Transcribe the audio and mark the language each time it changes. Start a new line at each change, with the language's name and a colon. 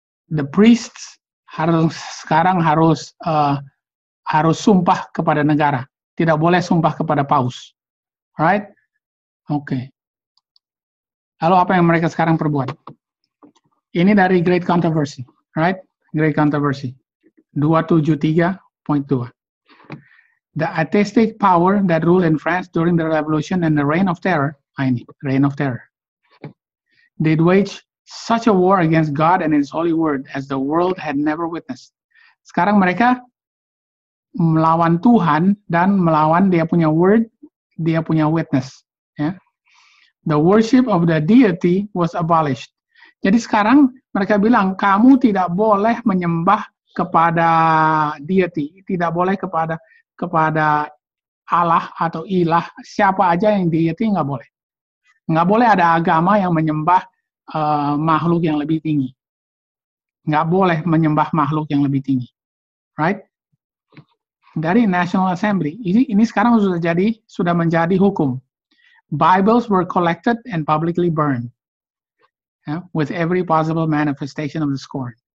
English: The priests
Indonesian: harus sumpah kepada negara. Tidak boleh sumpah kepada paus. Right? Oke. Okay. Lalu apa yang mereka sekarang perbuat? Ini dari Great Controversy.
English: Right? Great Controversy. 273.2. The atheistic power that ruled in France during the Revolution and the Reign of Terror. Ini, Reign of Terror. did wage such a war against God and His holy word as the world had never witnessed.
Indonesian: Sekarang mereka melawan Tuhan dan melawan Dia punya word, Dia punya witness. Ya.
English: The worship of the deity was abolished.
Indonesian: Jadi sekarang mereka bilang, kamu tidak boleh menyembah kepada deity, tidak boleh kepada Allah atau ilah, siapa aja yang deity nggak boleh. Nggak boleh ada agama yang menyembah makhluk yang lebih tinggi. Nggak boleh menyembah makhluk yang lebih tinggi. Right? Dari National Assembly, ini sekarang sudah menjadi hukum.
English: Bibles were collected and publicly burned, with every possible manifestation of the scorn.